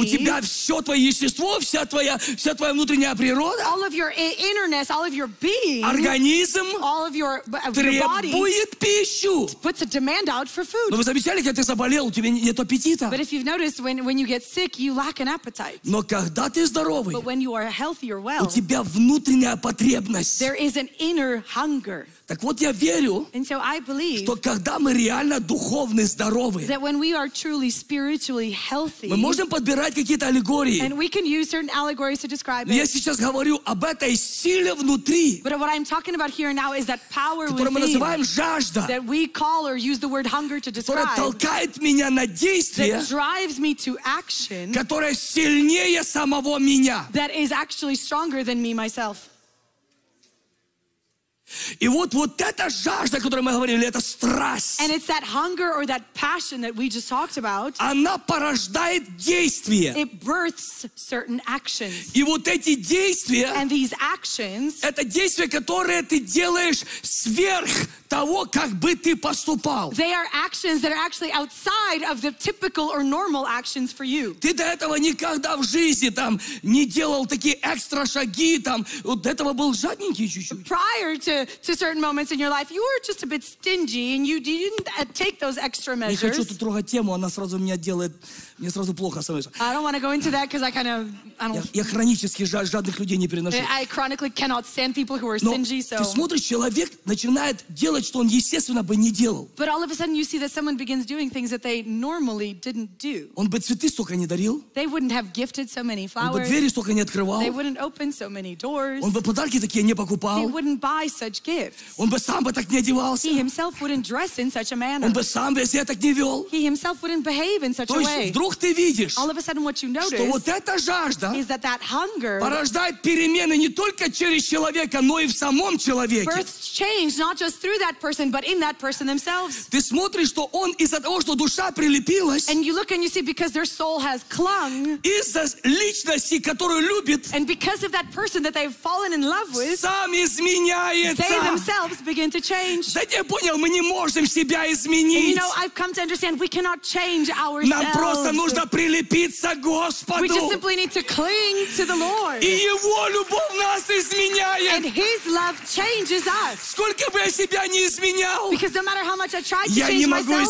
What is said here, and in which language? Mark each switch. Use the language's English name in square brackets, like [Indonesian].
[Russian] у тебя все твое естество, вся твоя внутренняя природа, [English] all of your innerness, all of your being, [Russian] организм, [English] all of your body, [Russian] требует пищу. [English] Puts a demand out for food. [Russian] Но вы замечали, когда ты заболел, у тебя нет аппетита. [English] But if you've noticed, when you get sick, you lack an appetite. [Russian] Но когда ты здоровый, [English] but when you are healthy or well, [Russian] у тебя внутренняя потребность. [English] There is an inner hunger. [Russian] Так вот я верю, [English] and so I believe, [Russian] что когда мы реально духовно здоровы, [English] that when we are truly spiritually healthy, [Russian] мы можем подбирать какие-то аллегории. [English] And we can use certain allegories to describe it. [Russian] Я сейчас говорю об этой силе внутри, [English] but what I'm talking about here now is that power within, [Russian] которую мы называем жажда, [English] that we call or use the word hunger to describe, [Russian] которая толкает меня на действие, [English] that drives me to action, [Russian] которая сильнее самого меня, [English] that is actually stronger than me myself. [Russian] И вот эта жажда, о которой мы говорили, это страсть. [English] And it's that hunger or that passion that we just talked about. [Russian] Она порождает действие. [English] It births certain actions. [Russian] И вот эти действия. [English] And these actions. [Russian] Это действия, которые ты делаешь сверх того, как бы ты поступал. [English] They are actions that are actually outside of the typical or normal actions for you. [Russian] Ты до этого никогда в жизни там не делал такие экстра шаги там. Вот этого был жадненький чуть-чуть. [English] Prior to certain moments in your life, you were just a bit stingy and you didn't take those extra measures. [Russian] Не хочу тут трогать тему, она сразу меня делает, мне сразу плохо становится. [English] I don't want to go into that because I kind of I don't. [Russian] Я хронически жадных людей не переношу. [English] I chronically cannot stand people who are stingy. [Russian] Но ты смотришь, человек начинает делать, что он естественно бы не делал. [English] But all of a sudden you see that someone begins doing things that they normally didn't do. [Russian] Он бы цветы столько не дарил. [English] They wouldn't have gifted so many flowers. [Russian] Он бы двери столько не открывал. [English] They wouldn't open so many doors. [Russian] Он бы подарки такие не покупал. [English] They wouldn't buy such gifts. [Russian] Он бы сам бы так не одевался. [English] He himself wouldn't dress in such a manner. [Russian] Он бы сам бы себя так не вел. [English] He himself wouldn't behave in such a way. [Russian] То есть вдруг ты видишь, [English] all of a sudden what you notice, [Russian] что вот эта жажда [English] is that that hunger [Russian] порождает перемены не только через человека, но и в самом человеке. [English] Births change not just through that person, but in that person themselves. [Russian] Ты смотришь, что он из-за того, что душа прилепилась, [English] and you look and you see because their soul has clung, [Russian] из-за личности, которую любит, [English] and because of that person that they've fallen in love with, [Russian] сам изменяет. [English] They themselves begin to change. [Russian] Знаете, я понял, мы не можем себя изменить. [English] And you know, I've come to understand we cannot change ourselves. [Russian] Нам просто нужно прилепиться к Господу. [English] We just simply need to cling to the Lord. [Russian] И Его любовь нас изменяет. [English] And His love changes us. [Russian] Сколько бы я себя не изменял, [English] because no matter how much I try to change myself,